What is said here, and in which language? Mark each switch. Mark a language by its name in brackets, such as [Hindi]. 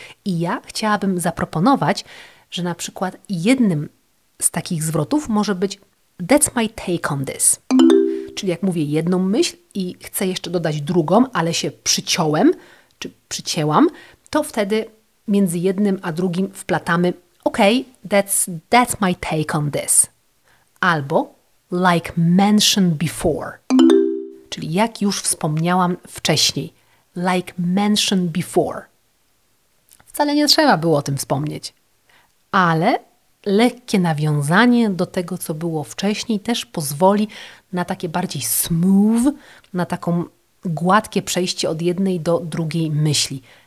[Polish] I ja chciałabym zaproponować, że na przykład jednym z takich zwrotów może być [English] that's my take on this. [Polish] Czyli jak mówię jedną myśl i chcę jeszcze dodać drugą, ale się przyciąłem, czy przycięłam, to wtedy między jednym a drugim wplatamy [English] ok, that's my take on this. [Polish] Albo [English] like mentioned before. [Polish] Czyli jak już wspomniałam wcześniej. [English] Like mentioned before. [Polish] Wcale nie trzeba było o tym wspomnieć. Ale lekkie nawiązanie do tego, co było wcześniej, też pozwoli na takie bardziej smooth, na taką gładkie przejście od jednej do drugiej myśli.